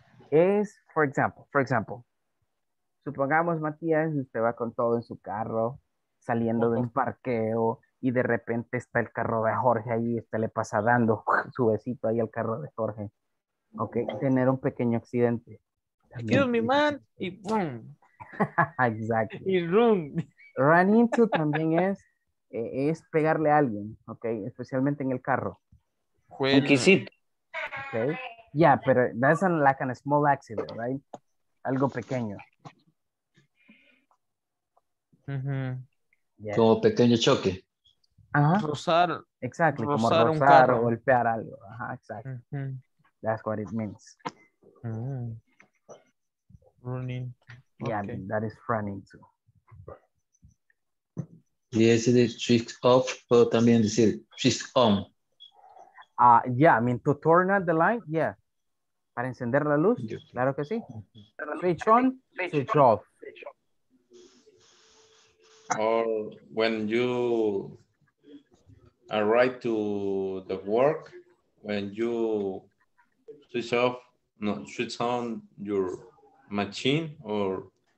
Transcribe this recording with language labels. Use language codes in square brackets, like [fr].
[es] Es, for example, supongamos, Matías, usted va con todo en su carro, saliendo de un parqueo, y de repente está el carro de Jorge ahí, usted le pasa dando su besito ahí al carro de Jorge. ¿Ok? Tener un pequeño accidente. [en] Excuse me, man. Y boom. [es] Exacto. Y run. Run into también es pegarle a alguien, ¿ok? Especialmente en el carro. Un quisito. Okay. [en] Yeah, pero that's like a small accident, right? [es] Algo pequeño. Mm-hmm. Yes. Como pequeño choque. Ajá. Rozar. Exactly, como rozar o golpear algo. Ajá, exactly. Mm-hmm. [en] That's what it means. Mm-hmm. Running. Yeah, okay. I mean, that is running too. Yes, it is switch off, [es] pero también decir [en] switch on. Yeah, I mean to turn on the light, yeah. [es] Para encender la luz, claro que sí. Switch on, switch off. [en] Or when you arrive to the work, when you switch off, no, switch on your machine or?